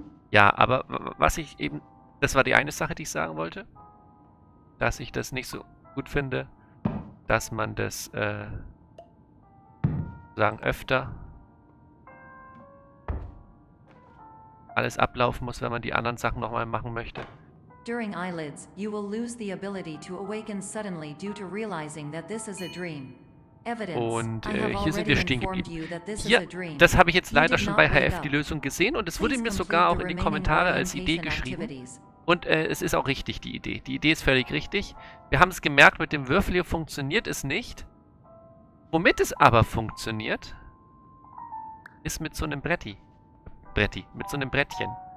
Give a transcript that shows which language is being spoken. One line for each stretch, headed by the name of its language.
German: Ja, aber was ich eben. Das war die eine Sache, die ich sagen wollte. Dass ich das nicht so gut finde, dass man das. Sagen öfter alles ablaufen muss, wenn man die anderen Sachen nochmal machen möchte.
English: During eyelids, you will lose the ability to awaken suddenly due to realizing that this is a dream. Evidence.
German: Und hier sind wir stehen geblieben. Das habe ich jetzt leider schon bei HF die Lösung gesehen und es wurde mir sogar auch in die Kommentare als Idee geschrieben. Und es ist auch richtig, die Idee. Die Idee ist völlig richtig. Wir haben es gemerkt, mit dem Würfel hier funktioniert es nicht. Womit es aber funktioniert, ist mit so einem mit so einem Brettchen.